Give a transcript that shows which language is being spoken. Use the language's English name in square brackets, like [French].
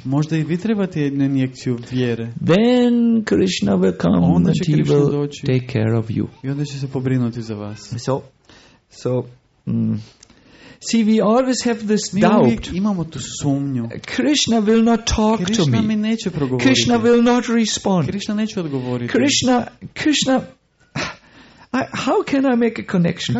[Croatian] Možda i vi trebate jednu injekciju vjere. [English] Then Krishna will come and he will take care of you. [Croatian] I onda će se pobrinuti za vas. [English] So see, we always have this doubt. [Croatian] Imamo tu sumnju. [English] Krishna will not talk to me. [Croatian] Krishna mi neće progovoriti. [English] Krishna will not respond. [Croatian] Krishna neće odgovoriti. [English] Krishna, how can I make a connection